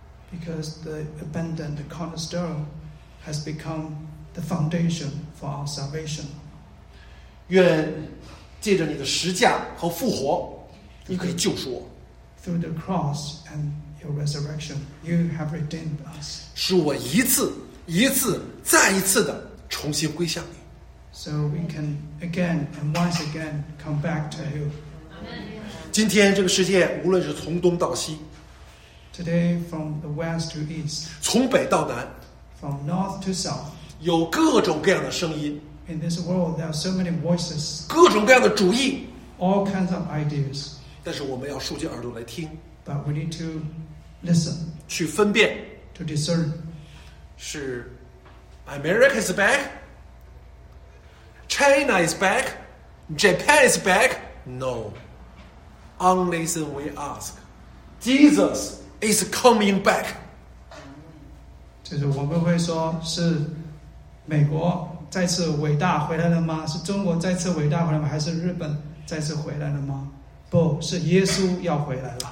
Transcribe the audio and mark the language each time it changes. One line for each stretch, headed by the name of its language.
English: Because the abandoned cornerstone has become. The foundation for our salvation.
Chinese: 愿借着你的十架和复活，你可以救赎我。
English: Through the cross and your resurrection, you have redeemed us.
Chinese: 使我一次一次再一次的重新归向你。
English: So we can again and once again come back to you.
Chinese: 今天这个世界，无论是从东到西
English: ，Today from the west to east，
Chinese: 从北到南
English: ，from north to south。
Chinese: 有各种各样的声音
English: In this world, there are so many voices,
Chinese: 各种各样的主意
English: all kinds of ideas,
Chinese: 但是我们要竖起耳朵来听
English: but we need to listen,
Chinese: 去分辨
English: to discern, 是 America is back China is back Japan is back No Unless we ask Jesus is coming back
Chinese: 就是我们会说是美国再次伟大回来了吗？是中国再次伟大回来吗？还是日本再次回来了吗？不是，耶稣要回来了。